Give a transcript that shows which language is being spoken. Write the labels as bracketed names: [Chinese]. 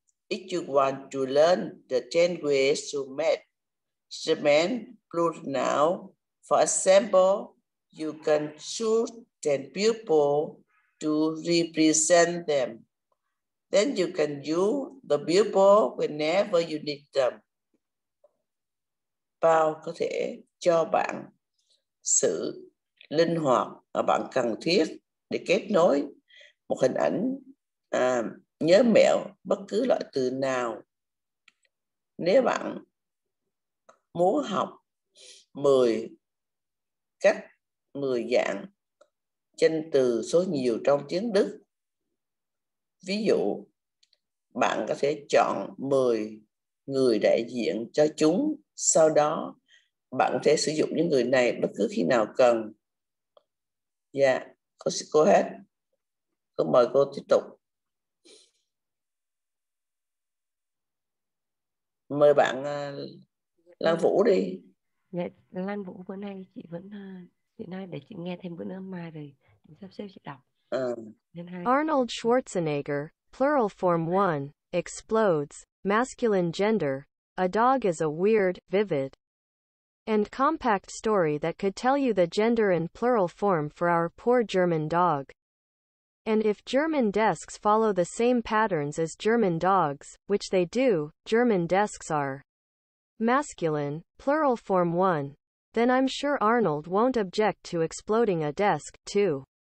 [English] If you want to learn the 10 ways to make German plural noun, for example, you can choose 10 people to represent them. Then you can use the people whenever you need them. [Vietnamese] Bao có thể cho bạn sự linh hoạt mà bạn cần thiết để kết nối một hình ảnh nhớ mẹo bất cứ loại từ nào. Nếu bạn muốn học 10 cách, 10 dạng danh từ số nhiều trong tiếng Đức, ví dụ bạn có thể chọn 10 người đại diện cho chúng, sau đó bạn có thể sử dụng những người này bất cứ khi nào cần. Dạ, cô hết. Cô mời cô tiếp tục. Mời bạn Lan Vũ đi. Dạ, Lan Vũ bữa nay chị vẫn nay để chị nghe thêm bữa nữa, mai rồi chị sắp xếp chị đọc. [English] Arnold Schwarzenegger, plural form 1, explodes, masculine gender, a dog is a weird, vivid, and compact story that could tell you the gender in plural form for our poor German dog. And if German desks follow the same patterns as German dogs, which they do, German desks are masculine, plural form 1, then I'm sure Arnold won't object to exploding a desk, too.